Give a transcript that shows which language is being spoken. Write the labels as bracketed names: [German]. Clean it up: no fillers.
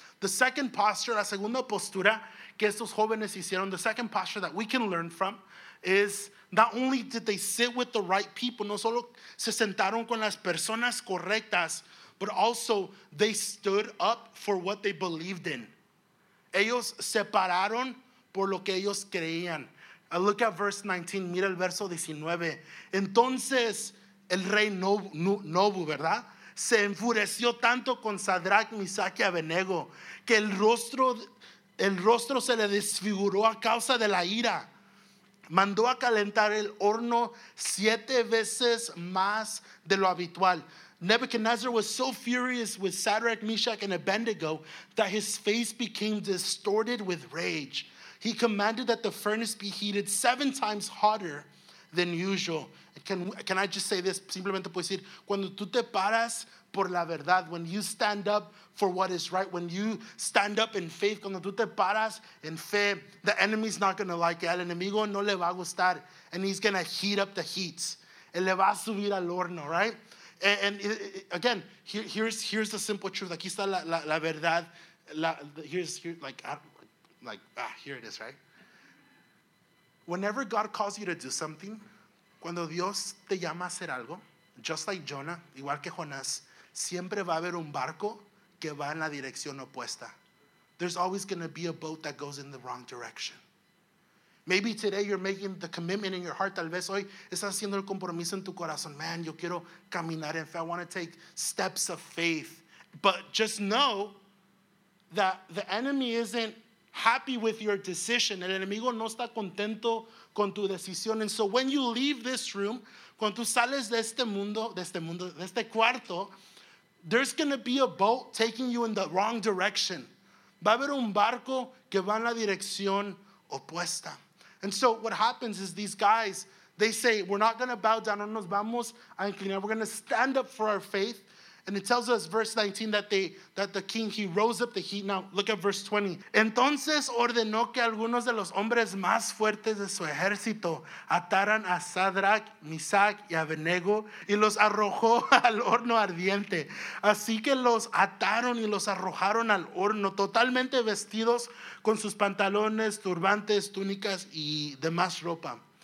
[English] The second posture, [Spanish] la segunda postura que estos jóvenes hicieron, [English] the second posture that we can learn from is not only did they sit with the right people, [Spanish] no solo se sentaron con las personas correctas, [English] but also they stood up for what they believed in. [Spanish] Ellos se pararon por lo que ellos creían. [English] I look at verse 19, [Spanish] mira el verso 19. Entonces el rey Nobu, ¿verdad? Se enfureció tanto con Shadrach, Meshach y Abednego que el rostro se le desfiguró a causa de la ira. Mandó a calentar el horno 7 veces más de lo habitual. [English] Nebuchadnezzar was so furious with Shadrach, Meshach, and Abednego that his face became distorted with rage. He commanded that the furnace be heated 7 times hotter than usual. Can I just say this? [Spanish] Simplemente puedo decir, cuando tú te paras por la verdad, [English] when you stand up for what is right, when you stand up in faith, [Spanish] cuando tú te paras en fe, [English] the enemy's not going to like it. [Spanish] El enemigo no le va a gustar, [English] and he's going to heat up the heat. [Spanish] Él le va a subir al horno, right? [English] And again, here's the simple truth. Aquí está la verdad. Here it is, right? Whenever God calls you to do something, [Spanish] cuando Dios te llama a hacer algo, [English] just like Jonah, [Spanish] igual que Jonás, siempre va a haber un barco que va en la dirección opuesta. [English] There's always going to be a boat that goes in the wrong direction. Maybe today you're making the commitment in your heart. [Spanish] Tal vez hoy estás haciendo el compromiso en tu corazón. [English] Man, [Spanish] yo quiero caminar en fe. [English] I want to take steps of faith. But just know that the enemy isn't happy with your decision. [Spanish] El enemigo no está contento con tu decisión. [English] And so when you leave this room, cuando tú sales de este mundo, de este cuarto, there's going to be a boat taking you in the wrong direction. [Spanish] Va a haber un barco que va en la dirección opuesta. [English] And so what happens is these guys, they say, we're not going to bow down. [Spanish] No nos vamos a inclinar. [English] We're going to stand up for our faith. And it tells us, verse 19, that the king, he rose up the heat. Now, look at verse 20. [Spanish] Entonces ordenó que algunos de los hombres más fuertes de su ejército ataran a Shadrach, Meshach y Abednego y los arrojó al horno ardiente. Así que los ataron y los arrojaron al horno, totalmente vestidos con sus pantalones, turbantes, túnicas y demás ropa.